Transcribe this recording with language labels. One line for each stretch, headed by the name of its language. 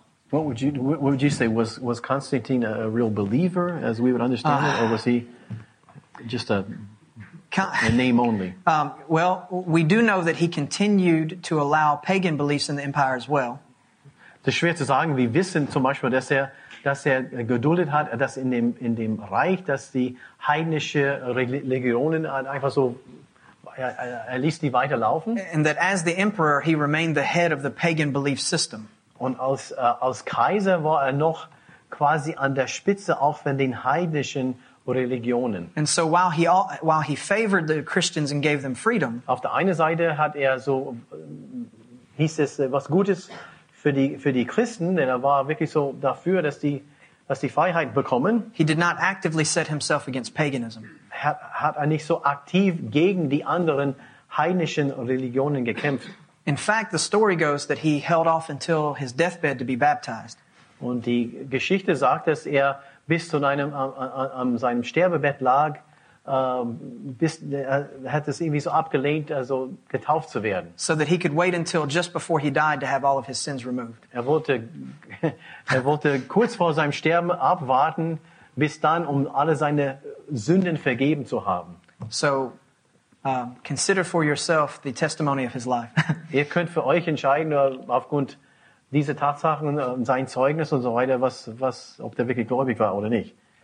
English: What would you say was Constantine a real believer as we would understand it, or was he just a name only? Well, we do know that he continued to allow pagan beliefs in the empire as well.
German: Das schwer zu sagen. Wir wissen zum Beispiel, dass er geduldet hat, dass in dem Reich, dass die heidnische Religionen einfach so er ließ die weiterlaufen.
English: And that as the emperor, he remained the head of the pagan belief system.
German: Und als Kaiser war er noch quasi an der Spitze auch von den heidnischen Religionen.
English: And so while he favored the Christians and gave them freedom.
German: Auf der einen Seite hat er so hieß es was Gutes für die Christen, denn er war wirklich so dafür, dass die Freiheit bekommen.
English: He did not actively set himself against paganism.
German: Hat er nicht so aktiv gegen die anderen heidnischen Religionen gekämpft?
English: In fact, the story goes that he held off until his deathbed to be baptized.
German: Und die Geschichte sagt, dass er bis zu einem an seinem Sterbebett lag, hat es irgendwie so abgelehnt, also getauft zu werden.
English: So that he could wait until just before he died to have all of his sins removed.
German: Er wollte kurz vor seinem Sterben abwarten, bis dann, um alle seine Sünden vergeben zu haben.
English: So. Consider for yourself the testimony of his life.
German: Ihr könnt für euch entscheiden aufgrund dieser Tatsachen und sein Zeugnis und so weiter, was ob der wirklich gläubig war oder nicht.